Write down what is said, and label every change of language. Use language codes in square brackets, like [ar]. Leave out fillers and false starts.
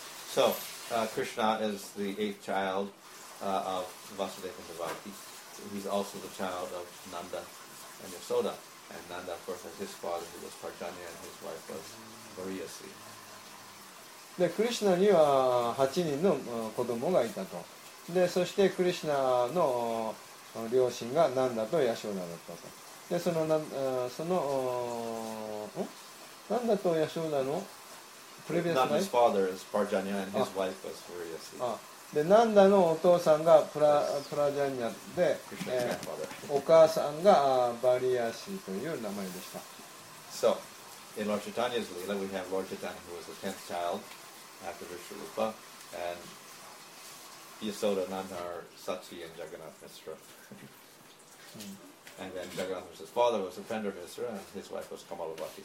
[en] So,Krishna is the eighth child of Vasudeva and Devaki. He's also the child of Nanda and Yasoda. And Nanda, of course, has his father who was Parjanya and his wife was Variyasi. [ja] で、クリシナには8人の子供がいたと。で、そしてクリシナの両親がナンダとヤショーダだったと。で、その、ナンダとヤショーダのNanda's [en] father is Parjanya and his wife was Variyasi. [ja] で、ナンダのお父さんがプラジャニアで、お母さんがバリアシという名前でした。 [en] So, in Lord Chaitanya's Leela, we have Lord Chaitanya, who was the tenth child after Vishwarupa, and Yasoda, Nanda, Sachi, and Jagannath Misra. And then Jagannath Misra's father was Upendra Misra, and his wife was Kamalabati.